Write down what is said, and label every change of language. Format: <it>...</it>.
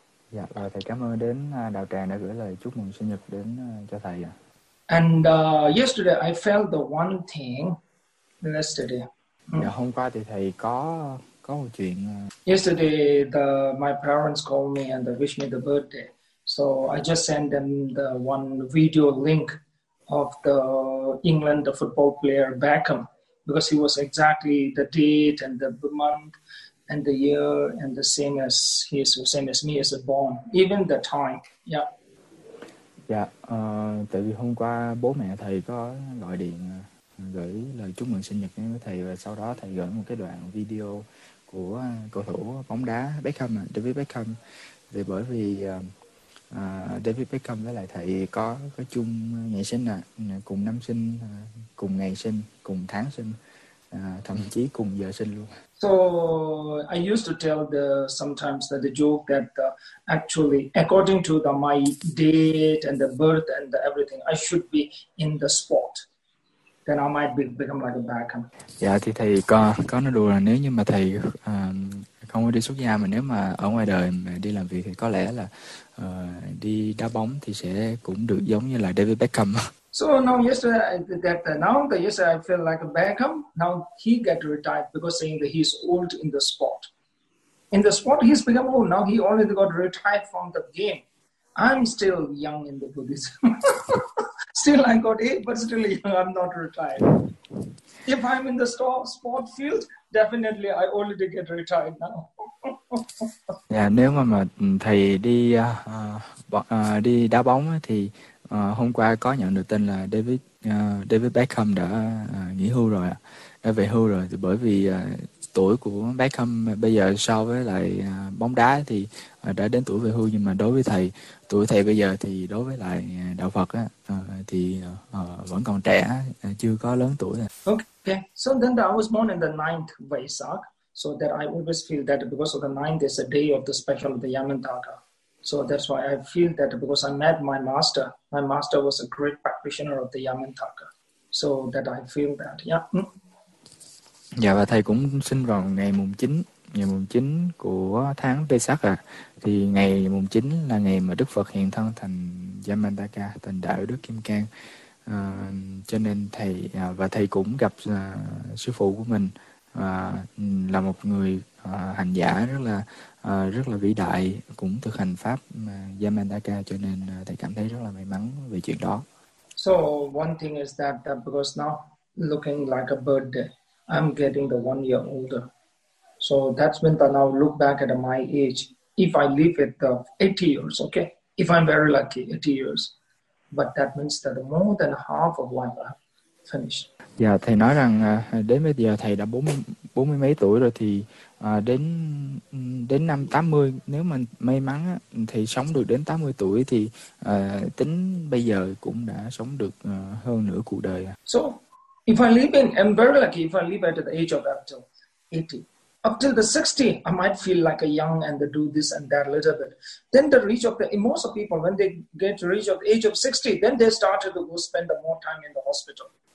<vi>Dạ, và thầy cảm ơn đến đạo tràng đã gửi lời chúc mừng sinh nhật đến cho thầy ạ.</vi> <en>And yesterday I felt the one thing yesterday.</en> <vi>Dạ, hôm qua thì thầy có một chuyện.</vi> <en>Yesterday my parents called me and they wished me the birthday. So I just sent them the one video link of the England the football player Beckham, because he was exactly the date and the month and the year and the same as me as a born, even the time. Yeah.</en> <vi>Dạ, tại vì hôm qua bố mẹ thầy có gọi điện gửi lời chúc mừng sinh nhật đến với thầy, và sau đó thầy gửi một cái đoạn video của cầu thủ bóng đá Beckham, David Beckham. Thì bởi vì David Beckham với lại thầy có chung ngày sinh cùng năm sinh, cùng ngày sinh, cùng tháng sinh, thậm chí cùng giờ sinh luôn.</vi> <en>So I used to tell the sometimes that the joke that actually according to the my date and the birth and the everything I should be in the spot. Then I might become like a Beckham.</en> <vi>Dạ thì thầy có nói đùa là nếu như mà thầy không có đi xuất gia mà nếu mà ở ngoài đời mà đi làm việc thì có lẽ là đi đá bóng thì sẽ cũng được giống như là David Beckham.</vi> <en>So now yesterday I feel like a Beckham. Now he get retired because saying that he's old in the sport. In the sport he's become old. Now he already got retired from the game. I'm still young in the Buddhism. Still I got eight, but still young. I'm not retired. If I'm in the sport field, definitely I already get retired now.</en> <vi>Dạ, nếu mà thầy đi đi đá bóng thì Hôm qua có nhận được tin là David David Beckham đã nghỉ hưu rồi, đã về hưu rồi. Thì bởi vì tuổi của Beckham bây giờ so với lại bóng đá thì đã đến tuổi về hưu, nhưng mà đối với thầy, tuổi thầy bây giờ thì đối với lại đạo Phật á, thì vẫn còn trẻ, chưa có lớn tuổi.</vi> <en>Okay, so then I was born in the ninth Vaisak, so that I always feel that because of the ninth is a day of the special of the Yamantaka. So that's why I feel that because I met my master was a great practitioner of the Yamantaka. So that I feel that,</en> <vi>Dạ, và thầy cũng sinh vào ngày mùng 9, ngày mùng 9 của tháng Vesak à. Thì ngày mùng 9 là ngày mà Đức Phật hiện thân thành Yamantaka, thành Đại Đức Kim Cang. Cho nên thầy và thầy cũng gặp sư phụ của mình, là một người hành giả rất là vĩ đại, cũng thực hành pháp Yamantaka, cho nên thầy cảm thấy rất là may mắn về chuyện đó.</vi> <en>So one thing is that because now looking like a birthday, I'm getting the 1 year older. So that's when I now look back at my age. If I live at 80 years, okay, if I'm very lucky, 80 years, but that means that more than half of life I have finished.</en> <vi>Dạ, thầy nói rằng đến bây giờ thầy đã 40 mấy tuổi rồi, thì đến đến năm 80, nếu mà may mắn thì sống được đến 80 tuổi, thì tính bây giờ cũng đã sống được hơn nửa cuộc đời.</vi> <en>So, I'm very lucky if I live at the age of up to 80. Up till the 60, I might feel like a young and do this and that a little bit. Then the reach of the most of people, when they get to reach of the age of 60, then they start to go spend the more time in the hospital.</en>